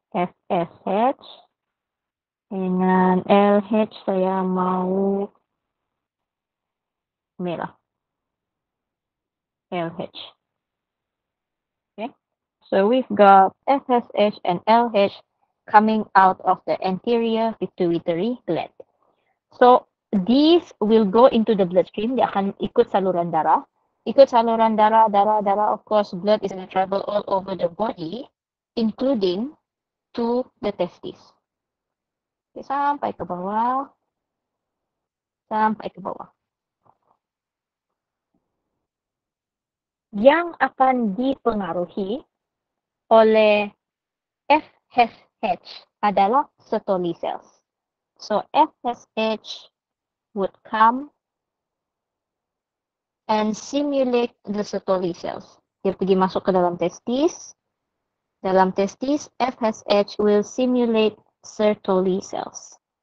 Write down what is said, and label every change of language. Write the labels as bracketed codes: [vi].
[ms] FSH dengan LH saya mau merah. LH. [en] So we've got FSH and LH coming out of the anterior pituitary gland. So these will go into the bloodstream. [ms] Dia akan ikut saluran darah. Ikut saluran darah, darah, darah. [en] Of course, blood is going to travel all over the body, including to the testis. [ms] Okay, sampai ke bawah. Sampai ke bawah. Yang akan dipengaruhi oleh FSH adalah Sertoli cells. [en] So FSH would come and simulate the Sertoli cells. [ms] Dia pergi masuk ke dalam testis. Dalam testis, [en] FSH will simulate Sertoli cells.